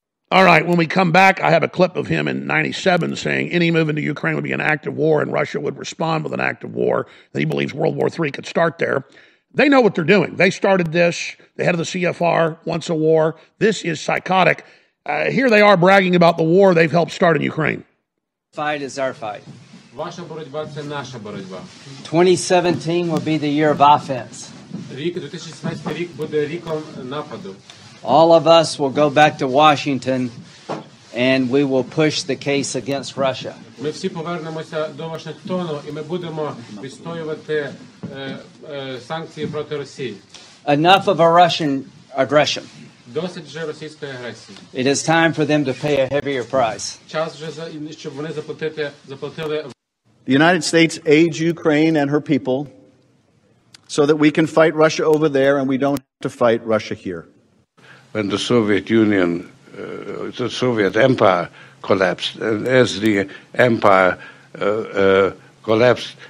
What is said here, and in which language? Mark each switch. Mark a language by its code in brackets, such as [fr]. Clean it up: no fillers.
[en] All right, when we come back, I have a clip of him in 97 saying any move into Ukraine would be an act of war and Russia would respond with an act of war. He believes World War III could start there. They know what they're doing. They started this. The head of the CFR wants a war. This is psychotic. Here they are bragging about the war they've helped start in Ukraine. Fight is our fight. [uk] Ваша боротьба – це наша боротьба. [en] 2017 will be the year of offense. [uk] Рік, 2017 рік буде ріком нападу. [en] All of us will go back to Washington and we will push the case against Russia. [uk] Ми всі повернемося до Вашингтону і ми будемо відстоювати санкції проти Росії. [en] Enough of a Russian aggression. [uk] Досить вже російської агресії. [en] It is time for them to pay a heavier price. [uk] Час вже за щоб вони заплатили. [en] The United States aids Ukraine and her people so that we can fight Russia over there and we don't have to fight Russia here. When the Soviet Union, the Soviet Empire collapsed, and as the empire collapsed,